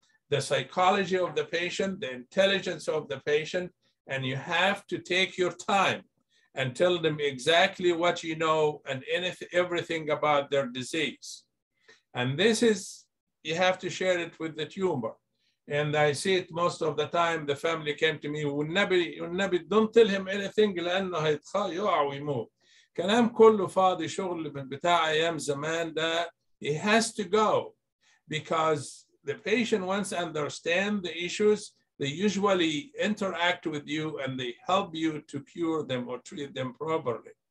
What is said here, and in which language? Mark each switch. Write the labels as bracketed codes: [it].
[en] the psychology of the patient, the intelligence of the patient, and you have to take your time and tell them exactly what you know and everything about their disease. And this is, you have to share it with the tumor. And I see it most of the time, the family came to me, [ar] والنبي, [en] don't tell him anything, [ar] لأنه يقع ويموت. كلام كله فاضي شغل بتاع أيام زمان ده, [en] it has to go. Because the patient once understand the issues, they usually interact with you and they help you to cure them or treat them properly.